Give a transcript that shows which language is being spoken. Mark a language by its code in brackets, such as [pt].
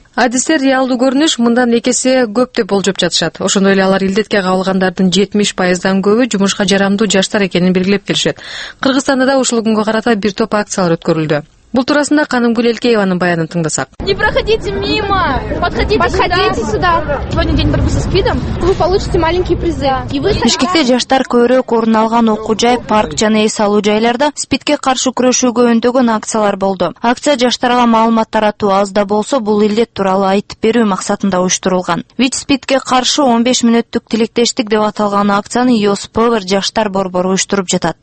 [ky] Адистер реалдуу көрүнүш мындан эки эсе көп деп болжоп жатышат. Ошондой эле алар илдетке кабылгандардын 70%дан көбү жумушка жарамдуу жаштар экенин белгилеп келишет. Кыргызстанда да ушул күнгө карата бир топ акциялар өткөрүлдү. Бул туурасында Канымгүл Элкееванын баянын тыңдасак. [ru] Не проходите мимо. Подходите сюда. Сегодня день борьбы со СПИДом. Вы получите маленький приз. [ky] Бишкекте жаштар көбүрөөк орун алган окуу жай, парк жана эс алуу жайларда СПИДке каршы күрөшүүгө үндөгөн акциялар болду. Акция жаштарга маалымат таратуу аз да болсо, бул илдет тууралуу айтып берүү максатында уюштурулган. ВИЧ СПИДке каршы 15 мүнөттүк тилектештик деп аталган акцияны Youth Power жаштар борбору уюштуруп жатат.